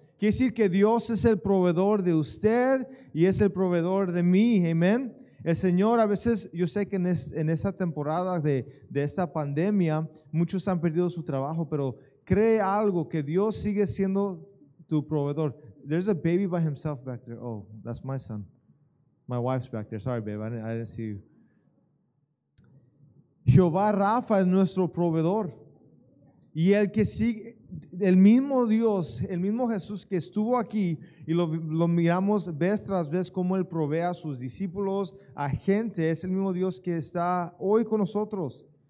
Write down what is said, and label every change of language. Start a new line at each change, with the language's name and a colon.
Spanish: Quiere decir que Dios es el proveedor de usted y es el proveedor de mí. Amén. El Señor, a veces yo sé que en esta temporada de esta pandemia, muchos han perdido su trabajo, pero cree algo, que Dios sigue siendo tu proveedor.
English: There's a baby by himself back there. Oh, that's my son. My wife's back there. Sorry, babe, I didn't see you.
Spanish: Jehová Rafa es nuestro proveedor. Y el que sigue, el mismo Dios, el mismo Jesús que estuvo aquí y lo miramos vez tras vez cómo Él provee a sus discípulos, a gente, es el mismo Dios que está hoy con nosotros.